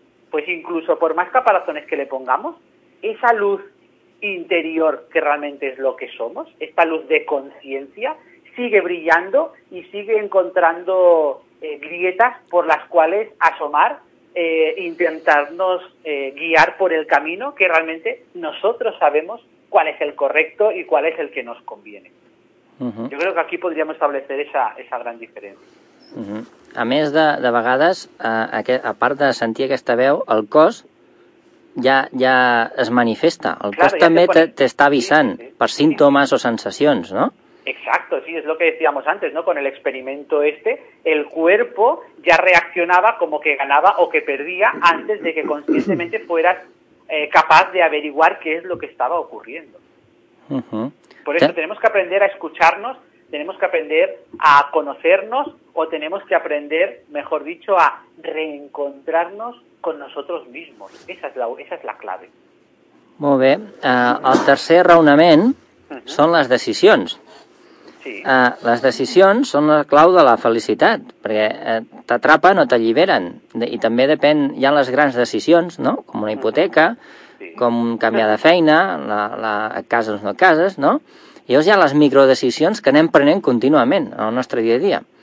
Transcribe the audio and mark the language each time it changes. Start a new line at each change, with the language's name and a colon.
Spanish: Pues incluso por más caparazones que le pongamos, esa luz interior que realmente es lo que somos, esta luz de conciencia, sigue brillando y sigue encontrando grietas por las cuales asomar, intentarnos guiar por el camino que realmente nosotros sabemos cuál es el correcto y cuál es el que nos conviene. Uh-huh. Yo creo que aquí podríamos establecer esa gran diferencia.
Catalan: Uh-huh. A més, de vegades, a part de sentir aquesta veu, el cos ja es manifesta. El cos també t'està avisant per símptomes o sensacions, no?
Spanish: Exacto, sí, es lo que decíamos antes, ¿no? Con el experimento este, el cuerpo ya reaccionaba como que ganaba o que perdía antes de que conscientemente fueras capaz de averiguar qué es lo que estaba ocurriendo. Uh-huh. Por eso tenemos que aprender a escucharnos, tenemos que aprender a conocernos o tenemos que aprender, mejor dicho, a reencontrarnos con nosotros mismos. Esa es la clave. Muy bien. El tercer raonament son las decisiones.
Catalan: Les decisions són la clau de la felicitat, perquè t'atrapen o t'alliberen, i també depèn, hi ha les grans decisions, no? Com una hipoteca, com canviar de feina, et cases o no et cases, no? Llavors hi ha les microdecisions que anem prenent contínuament en el nostre dia a dia.